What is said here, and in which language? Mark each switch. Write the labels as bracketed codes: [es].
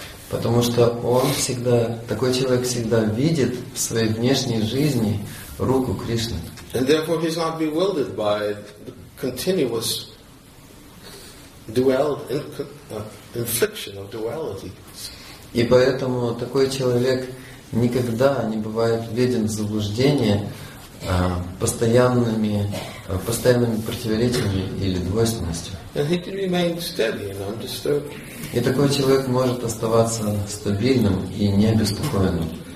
[ru] Потому что он всегда, такой человек всегда видит в своей внешней жизни руку Кришны. [en] And therefore he's not bewildered by the continuous infliction of duality. [ru] И поэтому такой человек никогда не бывает введен в заблуждение постоянными противоречиями или двойственностью. И такой человек может оставаться стабильным и не обеспокоенным.